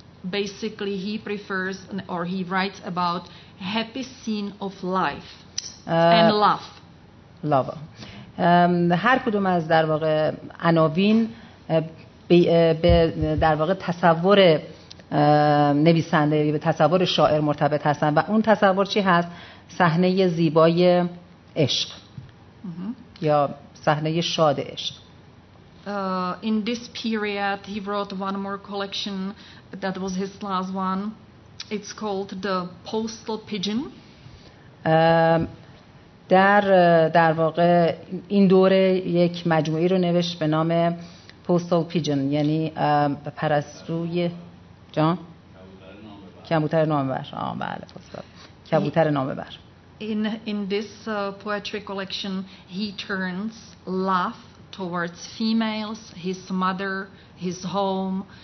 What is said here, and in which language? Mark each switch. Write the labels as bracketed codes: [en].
[en] Basically he prefers or he writes about happy scene of life and love. Love. [fa] هر کدوم از در واقع عناوین به در واقع تصور نویسنده یا به تصور شاعر مرتبط هستن و اون تصور چی هست؟ صحنه زیبای عشق. یا صحنه شاد عشق. [en] In this period he wrote one more collection, that was his last one. It's called The Postal Pigeon. [fa] در واقع این دوره یک مجموعه رو نوشت به نام Postal Pigeon، یعنی پرستوی جان کبوتر نامه‌بر. بله، پستال کبوتر نامه‌بر. [en] In this poetry collection he turns love towards females, his mother, his home.